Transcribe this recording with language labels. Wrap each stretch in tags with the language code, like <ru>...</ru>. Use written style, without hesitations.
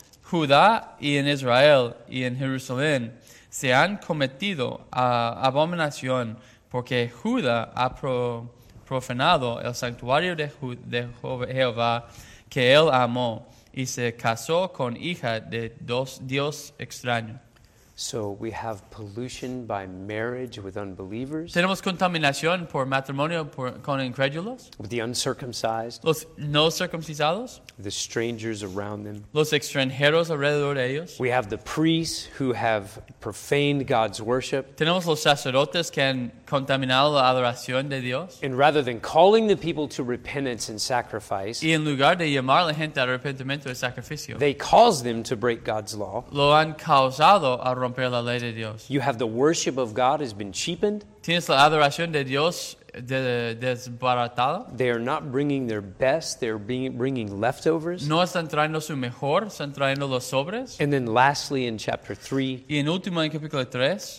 <es>Judá y en Israel y en Jerusalén, se han cometido abominación, porque Judá ha profanado el santuario de Jehová que él amó, y se casó con hija de dios extraño.</es> <en>So we have pollution by marriage with unbelievers.</en> <es>Tenemos contaminación por matrimonio con incrédulos.</es> <en>With the uncircumcised.</en> <es>Los no circuncisados.</es> <en>The strangers around them.</en> <es>Los extranjeros alrededor de ellos.</es> <en>We have the priests who have profaned God's worship.</en> <es>Tenemos los sacerdotes que han contaminado la adoración de Dios.</es> <en>And rather than calling the people to repentance and sacrifice.</en> <es>Y en lugar de llamar a la gente al arrepentimiento y sacrificio.</es> <en>They cause them to break God's law.</en> <es>Lo han causado a romper la ley de Dios.</es> <en>You have the worship of God has been cheapened.</en> <es>Tienes la adoración de Dios desbaratada.</es> <en>They are not bringing their best. They're bringing leftovers.</en> <es>No están trayendo su mejor. Están trayendo los sobres.</es> <en>And then lastly in chapter 3.</en> <es>Y en último en capítulo 3.</es>